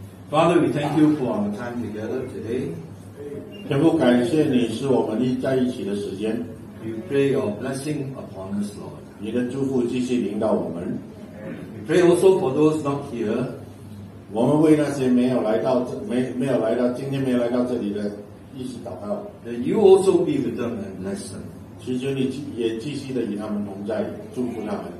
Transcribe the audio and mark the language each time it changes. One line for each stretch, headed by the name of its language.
English: Father, we thank you for our time together today.
Chinese: 天父，感谢你是我们在一起的时间。
English: We pray your blessing upon us, Lord.
Chinese: 你的祝福继续临到我们。
English: We pray also for those not here.
Chinese: 我们为那些没有来到这里的一起祷告。
English: That you also be with them and bless them.
Chinese: 祈求你也继续的与他们同在，祝福他们。